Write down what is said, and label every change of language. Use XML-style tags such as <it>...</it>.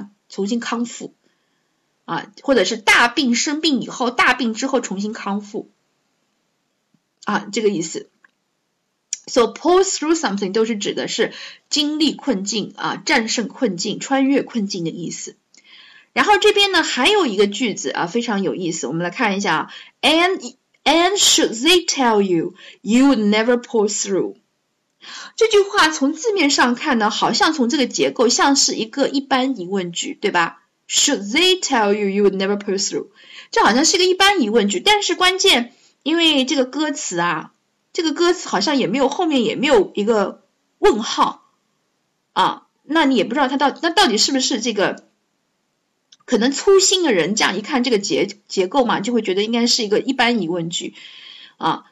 <zh>重新康复啊，或者是大病生病以后，大病之后重新康复啊，这个意思。</zh> <en>So pull through something</en> <zh>都是指的是经历困境啊，战胜困境，穿越困境的意思。然后这边呢还有一个句子啊，非常有意思，我们来看一下啊。</zh> <en>And should they tell you, you would never pull through?</en> <zh>这句话从字面上看呢，好像从这个结构像是一个一般疑问句，对吧？</zh> <en>Should they tell you, you would never pull through?</en> <zh>这好像是一个一般疑问句，但是关键，因为这个歌词啊，这个歌词好像也没有，后面也没有一个问号啊，那你也不知道那到底是不是这个，可能粗心的人这样一看这个结构嘛，就会觉得应该是一个一般疑问句啊。</zh>